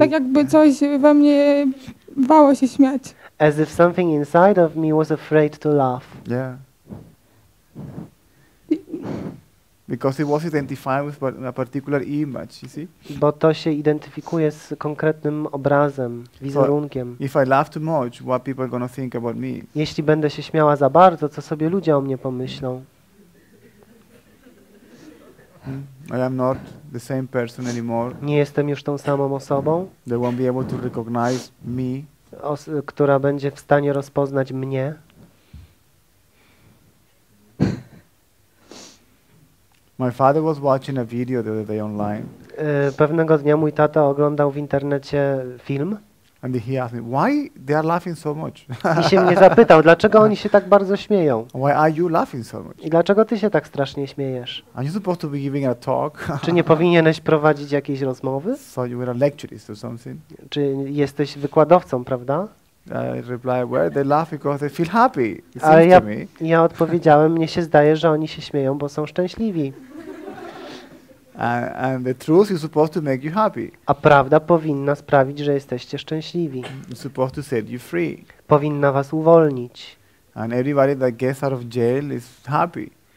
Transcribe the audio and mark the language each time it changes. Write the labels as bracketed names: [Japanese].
[Polish] Tak jakby coś we mnie bało się śmiać. [English] As if something inside of me was afraid to laugh. Yeah. Because it was identified with a particular image, you see? [Polish] Bo to się identyfikuje z konkretnym obrazem, wizerunkiem. [English] So if I laugh too much, what people are gonna think about me? [Polish] Jeśli będę się śmiała za bardzo, co sobie ludzie o mnie pomyślą? [English] I am not the same person anymore. [Polish] Nie jestem już tą samą osobą. [English] They won't be able to recognize me. [Polish] Która będzie w stanie rozpoznać mnie. [English] My father was watching a video the other day online. [Polish] Pewnego dnia mój tata oglądał w internecie film. [English] And he asked me, why they are laughing so much? [Polish] I się mnie zapytał, dlaczego oni się tak bardzo śmieją. [English] Why are you laughing so much? [Polish] I dlaczego ty się tak strasznie śmiejesz? [English] Are you supposed to be giving a talk? [Polish] Czy nie powinieneś prowadzić jakiejś rozmowy? [English] So you were a lecturist or something? [Polish] Czy jesteś wykładowcą, prawda? [English] I replied, well, they laugh because they feel happy. It seems to me. [Polish] Ja odpowiedziałem, mnie się zdaje, że oni się śmieją, bo są szczęśliwi. [English] And the truth is supposed to make you happy. [Polish] A prawda powinna sprawić, że jesteście szczęśliwi. [English] It's supposed to set you free. [Polish] Powinna was uwolnić. [English] And everybody that gets out of jail is happy.